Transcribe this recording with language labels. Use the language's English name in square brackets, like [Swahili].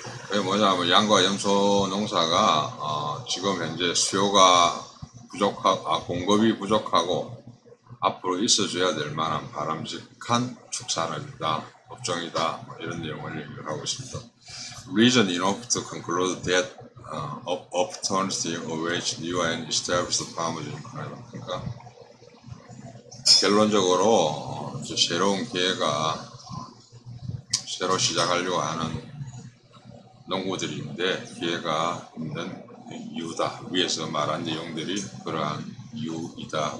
[Korean] 그게 뭐냐면 양과 염소 농사가 지금 현재 수요가 부족하고 공급이 부족하고 앞으로 있어줘야 될 만한 바람직한 축산업이다, 업종이다, 뭐 이런 내용을 얘기를 하고 있습니다. [English] Reason enough to conclude that opportunity awaits new and established farmers in Canada. [Korean] 그러니까 결론적으로 이제 새로운 기회가 새로 시작하려고 하는 농부들인데 기회가 있는 이유다. 위에서 말한 내용들이 그러한 이유이다.